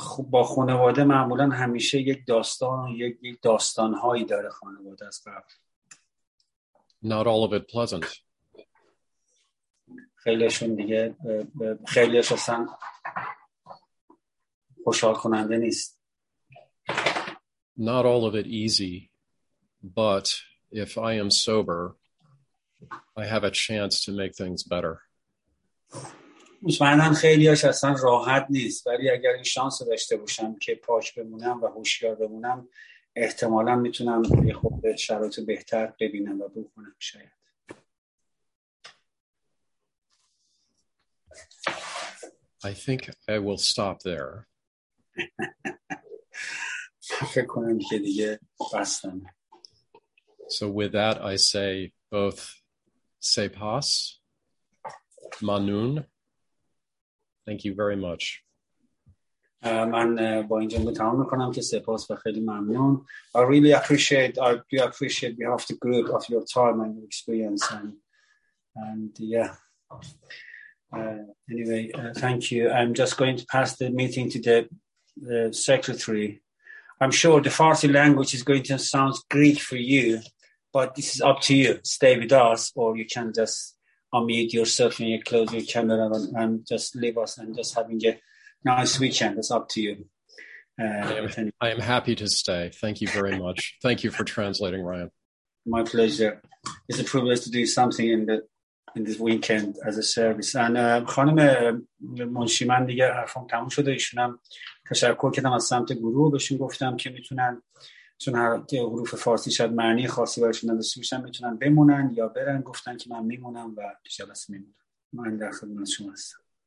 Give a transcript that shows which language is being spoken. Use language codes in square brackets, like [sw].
[fa] با خانواده معمولا همیشه یک داستان و یک داستان‌هایی داره خانواده از قبل. [en] Not all of it pleasant. [fa] خیلیشون دیگه خیلی اساساً خوشحال کننده نیست. [en] Not all of it easy, but if I am sober, I have a chance to make things better. [fa] مطمئنن خیلیش اصلا راحت نیست ولی اگر این شانس داشته باشم که پاک بمونم و هوشیار بمونم احتمالاً میتونم یه خود شرایط بهتر ببینم و بکنم شاید. [en] I think I will stop there. [fa] فکر کنم که دیگه بستم. [en] So with that I say both [fa] sepas, manun. [en] Thank you very much. [fa] من با اینجا تمام میکنم که سپاس و خیلی ممنون. [en] I really appreciate, I do appreciate behalf the group of your time and your experience and yeah. Anyway, thank you. I'm just going to pass the meeting to the secretary. I'm sure the Farsi language is going to sound Greek for you, but this is up to you. Stay with us or you can just unmute yourself and you close your camera and just leave us and just having a nice weekend. It's up to you. I am happy to stay. Thank you very much. Thank you for translating, Ryan. My pleasure. It's a privilege to do something in this weekend as a service. [fa] And خانم منشی من دیگه حرفم تموم شده. ایشون هم تشکر کردم از سمت گروه، بهشون گفتم که میتونن چون حروف فارسی شاید معنی خاصی برایشون نداشته باشن میتونن بمونن یا برن، گفتن که من میمونم و جلسه میمونم. من در خدمت شما هستم.